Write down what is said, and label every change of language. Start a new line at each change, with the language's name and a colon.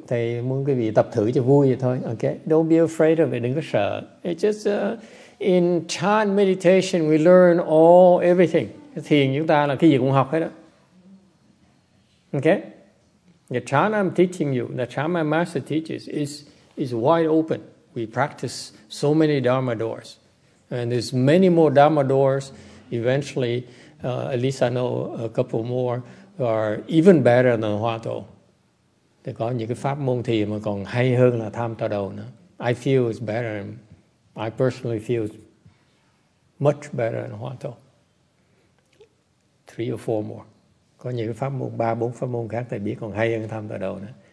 Vietnamese: Thầy muốn quý vị tập thử cho vui vậy thôi.
English: Okay? Don't be afraid of it.
Vietnamese: Đừng có sợ.
English: It's just in chan meditation, we learn all everything.
Vietnamese: Thiền chúng ta là cái gì cũng học hết đó.
English: Okay? The chan I'm teaching you, the chan my master teaches, is wide open. We practice so many dharma doors. And there's many more dharma doors. Eventually, at least I know a couple more, are even better than Hua Tou.
Vietnamese: Thì có những cái pháp môn thiền mà còn hay hơn là tham tơ đầu nữa.
English: I feel it's better. I personally feel much better than Hua Tou. 3 or 4 more.
Vietnamese: Có những cái pháp môn, 3, 4 pháp môn khác thầy biết còn hay hơn tham tơ đầu nữa.